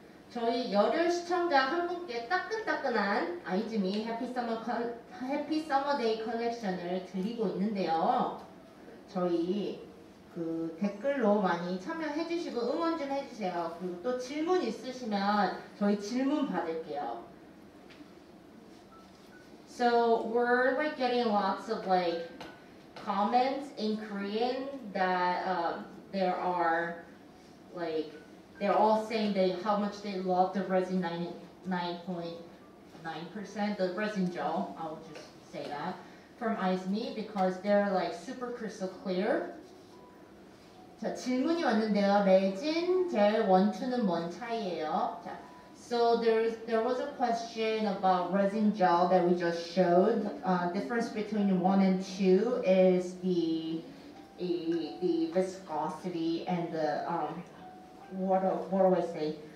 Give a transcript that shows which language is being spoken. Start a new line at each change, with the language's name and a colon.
Korean: 저희 열혈 시청자 한 분께 따끈따끈한 아이즈미 해피 서머 데이 컬렉션을 드리고 있는데요. 저희 그 댓글로 많이 참여해 주시고 응원 좀 해주세요. 그리고 또 질문 있으시면 저희 질문 받을게요.
English: So we're like getting lots of like comments in Korean that there are like they're all saying they how much they love the resin 99.9% the resin gel, I'll just say that, from Aizmi because they're like super crystal clear.
Korean: 자, 질문이 왔는데요. 레진 젤 원투는 뭔 차이예요? 자.
English: So there was a question about resin gel that we just showed. Difference between 1 and 2 is the viscosity and the, what do I say?